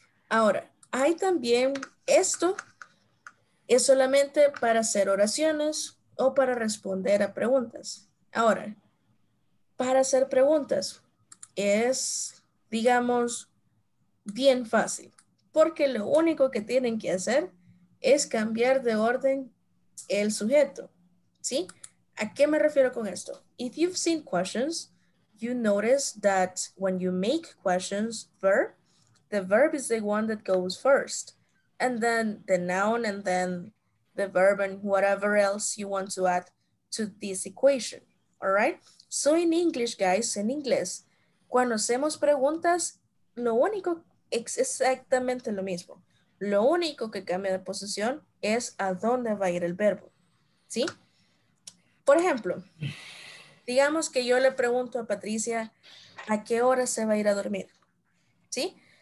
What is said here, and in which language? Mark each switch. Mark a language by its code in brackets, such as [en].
[es] Ahora, hay también esto, es solamente para hacer oraciones o para responder a preguntas. Ahora, para hacer preguntas es, digamos, bien fácil, porque lo único que tienen que hacer es cambiar de orden el sujeto, ¿sí? ¿A qué me refiero con esto? [en] If you've seen questions, you notice that when you make questions verb, the verb is the one that goes first, and then the noun, and then the verb, and whatever else you want to add to this equation, all right? So in English, guys, in English, [es] cuando hacemos preguntas, lo único, exactamente lo mismo. Lo único que cambia de posición es a dónde va a ir el verbo, ¿sí? Por ejemplo, digamos que yo le pregunto a Patricia, ¿a qué hora se va a ir a dormir? ¿Sí?